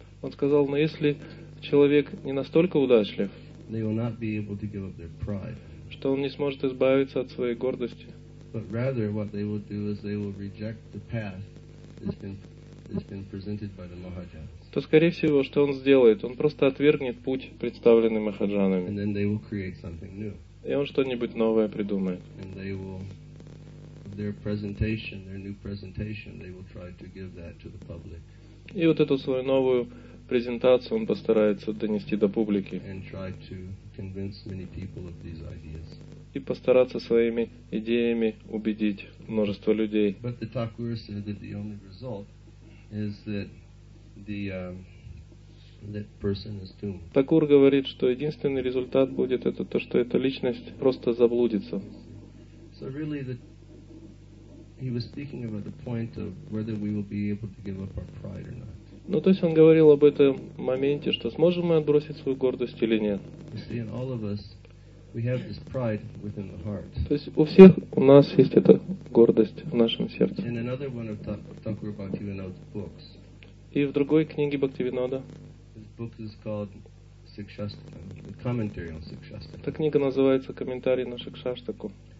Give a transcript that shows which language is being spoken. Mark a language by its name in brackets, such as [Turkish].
[Russian] он сказал, но если человек не настолько удачлив, [English] they will not be able to give up their pride, [Russian] что он не сможет избавиться от своей гордости. [English] But rather, what they will do is they will reject the path that's been presented by the Mahajans. [Russian] То скорее всего, что он сделает, он просто отвергнет путь, представленный Махаджанами. [English] And then they will create something new. [Russian] И он что-нибудь новое придумает. [English] And they will. Their presentation, their new presentation, they will try to give that to the public. [Russian] И вот эту свою новую презентацию он постарается донести до публики. [English] And try to convince many people of these ideas. [Russian] И постараться своими идеями убедить множество людей. [English] But the Thakur said that the only result is that that person is doomed. [Russian] Такур говорит, что единственный результат будет это то, что эта личность просто заблудится. [English] So really the He was speaking about the point of whether we will be able to give up our pride or not. [Russian] Ну, то есть он говорил об этом моменте, что сможем мы отбросить свою гордость или нет. [English] You see, in all of us, we have this pride within the heart. [Russian] То есть у всех у нас есть эта гордость в нашем сердце. [English] In another one of Thakur Bhaktivinoda's books. [Russian] И в другой книге Бхактивинода. [English] His book is called Sikshastakam, the commentary on Sikshastakam. [Russian] Эта книга называется «Комментарий на Шикшаштаку».